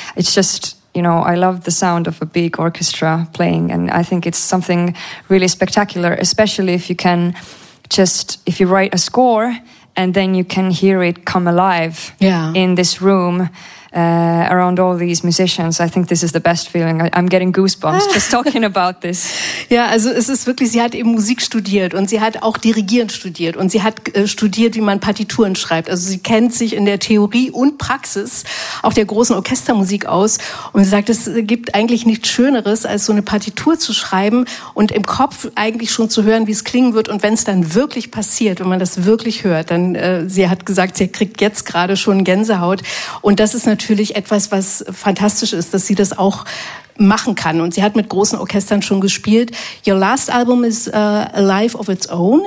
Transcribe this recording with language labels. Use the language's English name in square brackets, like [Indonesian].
[English] It's just, you know, I love the sound of a big orchestra playing, and I think it's something really spectacular, especially if you can just, if you write a score and then you can hear it come alive in this room around all these musicians. I think this is the best feeling. I'm getting goosebumps just talking about this. [German] Ja, also es ist wirklich, sie hat eben Musik studiert und sie hat auch Dirigieren studiert und sie hat studiert, wie man Partituren schreibt. Also sie kennt sich in der Theorie und Praxis auch der großen Orchestermusik aus und sie sagt, es gibt eigentlich nichts Schöneres, als so eine Partitur zu schreiben und im Kopf eigentlich schon zu hören, wie es klingen wird und wenn es dann wirklich passiert, wenn man das wirklich hört, dann, sie hat gesagt, sie kriegt jetzt gerade schon Gänsehaut und das ist natürlich etwas, was fantastisch ist, dass sie das auch machen kann. Und sie hat mit großen Orchestern schon gespielt. [English] Your last album is A Life of Its Own.